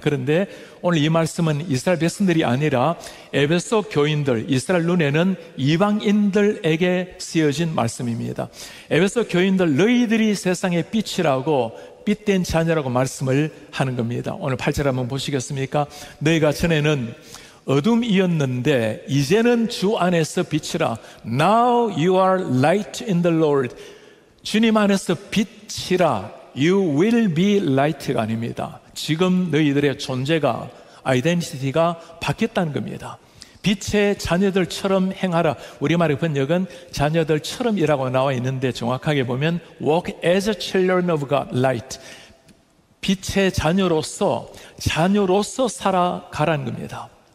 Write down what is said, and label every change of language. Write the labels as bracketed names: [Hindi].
[Korean] 그런데 오늘 이 말씀은 이스라엘 백성들이 아니라 에베소 교인들, 이스라엘 눈에는 이방인들에게 쓰여진 말씀입니다. 에베소 교인들, 너희들이 세상의 빛이라고 빛된 자녀라고 말씀을 하는 겁니다. 오늘 8절 한번 보시겠습니까? 너희가 전에는 어둠이었는데 이제는 주 안에서 빛이라. [English] Now you are light in the Lord. [Korean] 주님 안에서 빛이라. [English] You will be light가 [Korean] 아닙니다. 지금 너희들의 존재가, 아이덴티티가 바뀌었다는 겁니다. 빛의 자녀들처럼 행하라. 우리말의 번역은 자녀들처럼이라고 나와 있는데 정확하게 보면 [English] Walk as a children of God, light. [Korean] 빛의 자녀로서, 자녀로서 살아가라는 겁니다.